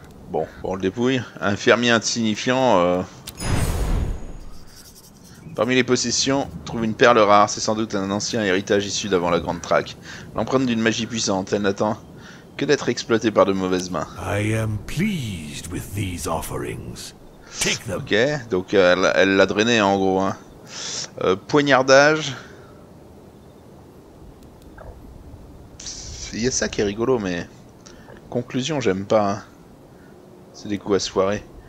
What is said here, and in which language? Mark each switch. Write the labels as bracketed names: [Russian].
[French] Bon, on le dépouille. Un fermier insignifiant. Parmi les possessions, trouve une perle rare. C'est sans doute un ancien héritage issu d'avant la Grande Traque. L'empreinte d'une magie puissante. Elle n'attend que d'être exploitée par de mauvaises mains. [English] I am pleased with these offerings. Take them. [French] Ok, donc elle l'a drainé en gros, hein. Poignardage. Il y a ça qui est rigolo, mais conclusion, j'aime pas. Hein. C'est des coups à se foirer.